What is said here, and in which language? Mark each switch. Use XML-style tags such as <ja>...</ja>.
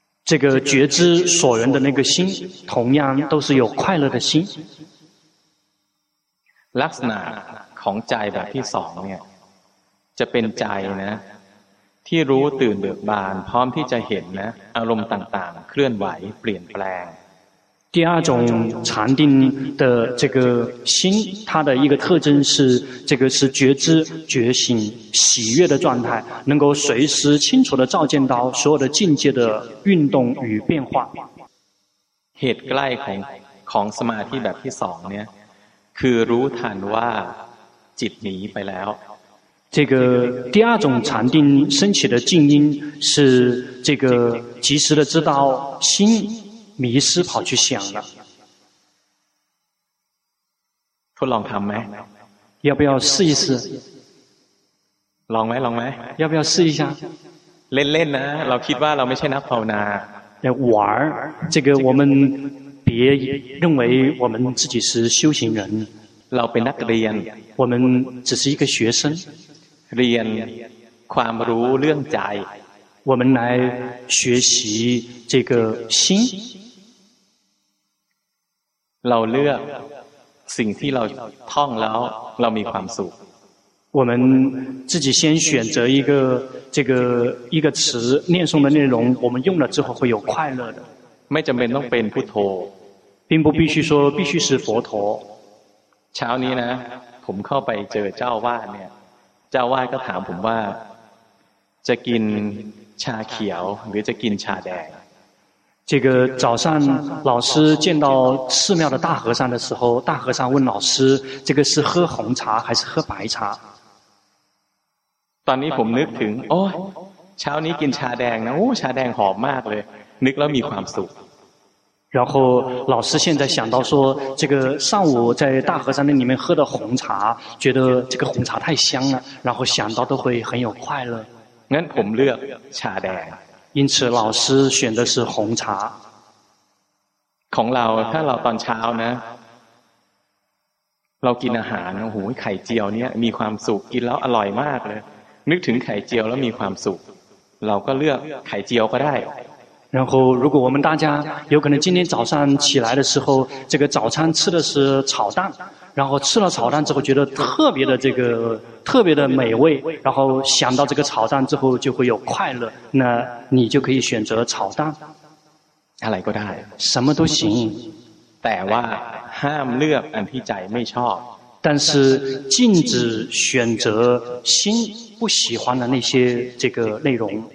<zh>这个觉知所缘的那个心同样都是有快乐的心</zh> <th>ลักษณะของใจแบบที่สองเนี่ยจะเป็นใจนะที่รู้ตื่นเบิกบานพร้อมที่จะเห็นนะอารมณ์ต่างๆเคลื่อนไหวเปลี่ยนแปลง</th> <zh>第二种禅定的这个心它的一个特征是这个是觉知觉醒喜悦的状态能够随时清楚地照见到所有的境界的运动与变化</zh> <th>เหตุใกล้ของสมาธิแบบที่สองเนี่ยคือรู้ทันว่าจิตหนีไปแล้ว</th> <zh>这个第二种禅定升起的静音是这个及时的知道心迷失跑去想了</zh> <th>ทดลองทำไหม</th> <zh>要不要试一试</zh> <th>ลองไหมลองไหม</th> <zh>要不要试一下</zh> <th>เล่นๆนะเราคิดว่าเราไม่ใช่นักภาวนา</th> <zh>要玩这个我们别认为我们自己是修行人</zh> <th>เราเป็นนักเรียน</th> <zh>我们只是一个学生</zh> <th>เรียนความรู้เรื่องใจ</th> <zh>我们来学习这个心</zh> <th>เราเลือกสิ่งที่เราท่องแล้วเรามีความสุข</th> <zh>我们自己先选择一个这个一个词念诵的内容我们用了之后会有快乐的</zh> <th>ไม่จำเป็นต้องเป็นพุทโธ</th> <zh>并不必须说必须是佛陀</zh> <th>เช้านี้นะผมเข้าไปเจอเจ้าวาดเนี่ยเจ้าวาดก็ถามผมว่าจะกินชาเขียวหรือจะกินชาแดง</th> <zh>这个早上老师见到寺庙的大和尚的时候大和尚问老师这个是喝红茶还是喝白茶</zh> <th>ตอนนี้ผมนึกถึงโอ้เช้านี้กินชาแดงนะโอ้ชาแดงหอมมากเลยนึกแล้วมีความสุข</th> <zh>然后老师现在想到说这个上午在大和尚那里面喝的红茶觉得这个红茶太香了然后想到都会很有快乐</zh> <th>งั้นผมเลือกชาแดง</th> <zh>因此老师选的是红茶</zh> <th>ของเราถ้าเราตอนเช้านะเรากินอาหารโอ้โหไข่เจียวเนี่ยมีความสุขกินแล้วอร่อยมากเลยนึกถึงไข่เจียวแล้วมีความสุขเราก็เลือกไข่เจียวก็ได้</th> <zh>然后如果我们大家有可能今天早上起来的时候这个早餐吃的是炒蛋然后吃了炒蛋之后觉得特别的这个特别的美味然后想到这个炒蛋之后就会有快乐那你就可以选择炒蛋</zh> <th>อะไรก็ได้</th> <zh>什么都行</zh> <th>แต่ว่าห้ามเลือกอันที่ใจไม่ชอบ</th> <zh>但是禁止选择心不喜欢的那些这个内容。</zh>